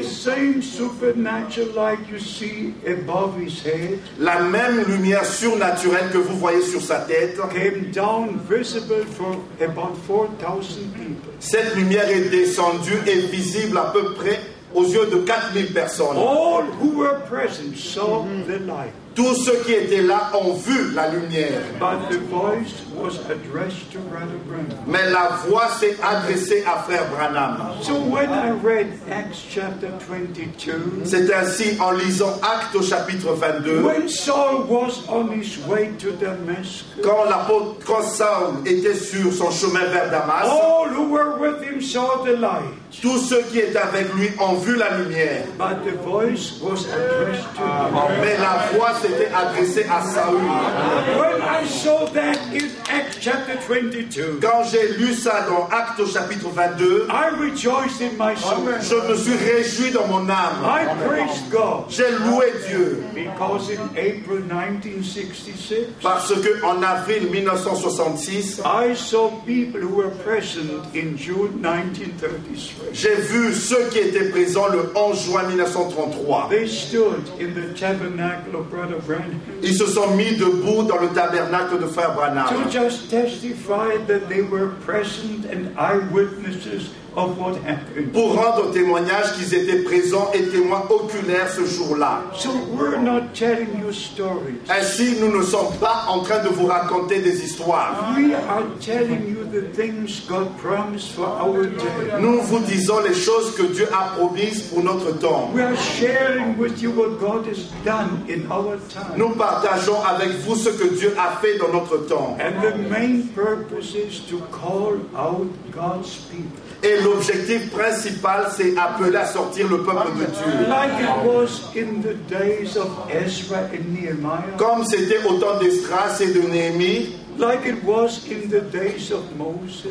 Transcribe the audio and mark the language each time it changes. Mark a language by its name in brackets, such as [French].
[English] The same supernatural light you see above his head. [French] La même lumière surnaturelle que vous voyez sur sa tête. [English] Came down visible for about 4,000 people. [French] Cette lumière est descendue et visible à peu près aux yeux de 4,000 personnes. [English] All who were present saw the light. [French] Tous ceux qui étaient là ont vu la lumière. [English] But the voice was addressed to Brother Branham. [French] Mais la voix s'est adressée à Frère Branham. [English] So when I read Acts chapter 22, [French] c'est ainsi en lisant Actes au chapitre 22. [English] When Saul was on his way to Damascus, [French] quand l'apôtre Saul était sur son chemin vers Damas, [English] all who were with him saw the light. [French] Tous ceux qui étaient avec lui ont vu la lumière. [English] But the voice was addressed to him. [French] Mais la voix s'était adressée à Saül. [English] When I saw that in Acts chapter 22, [French] quand j'ai lu ça dans Actes chapitre 22, [English] I rejoiced in my soul. [French] Je me suis réjoui dans mon âme. [English] I praised God. [French] J'ai loué Dieu. [English] Because in April 1966, [French] parce que en avril 1966, [English] I saw people who were present in June 1936. [French] J'ai vu ceux qui étaient présents le 11 juin 1933. [English] They stood in the tabernacle of Brother Branham. [French] Ils se sont mis debout dans le tabernacle de Frère Branham. [English] To just testify that they were present and eyewitnesses of what happened. [French] Pour rendre témoignage qu'ils étaient présents et témoins oculaires ce jour-là. [English] So we're not telling you stories. [French] Ainsi, nous ne sommes pas en train de vous raconter des histoires. [English] We are telling you the things God promised for our time. [French] Nous vous disons les choses que Dieu a promises pour notre temps. [English] We are sharing with you what God has done in our time. [French] Nous partageons avec vous ce que Dieu a fait dans notre temps. [English] And the main purpose is to call out God's people. [French] Et l'objectif principal, c'est appeler à sortir le peuple de Dieu. [English] Like it was in the days of Ezra and Nehemiah. [French] Comme c'était au temps d'Esdras et de Néhémie. [English] Like it was in the days of Moses.